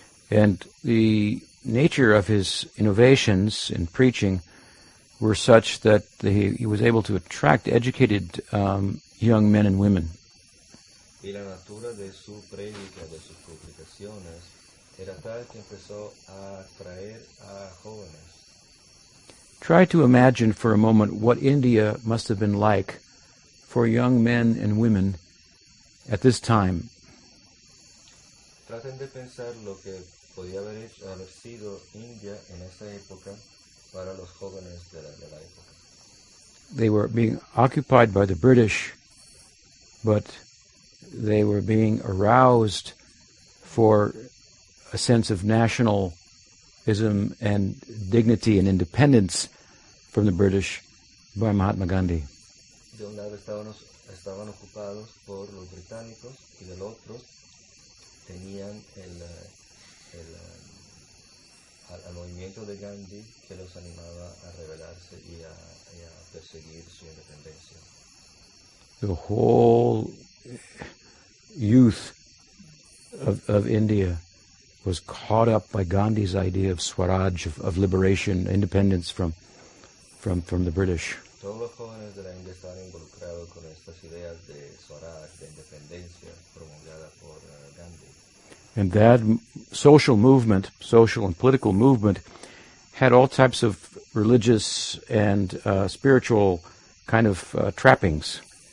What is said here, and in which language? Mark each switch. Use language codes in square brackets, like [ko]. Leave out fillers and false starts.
[en] And the nature of his innovations in preaching were such that he was able to attract educated young men and women. [es] Y la natura de su predica, de sus publicaciones, era tal que empezó a atraer a jóvenes. [en] Try to imagine for a moment what India must have been like for young men and women at this time. [es] Traten de pensar lo que podía haber sido India en esa época para los jóvenes de la época. [en] They were being occupied by the British, but they were being aroused for a sense of nationalism and dignity and independence from the British by Mahatma Gandhi. [es] De un lado estaban ocupados por los británicos y del otro tenían el movimiento de Gandhi que los animaba a rebelarse y a perseguir su independencia. [en] The whole youth of India was caught up by Gandhi's idea of Swaraj, of liberation, independence from the British. [es] Todos los jóvenes de la India estaban involucrados con estas ideas de Swaraj, de independencia, promulgada por Gandhi. [en] And that social movement, social and political movement, had all types of religious and spiritual kind of trappings.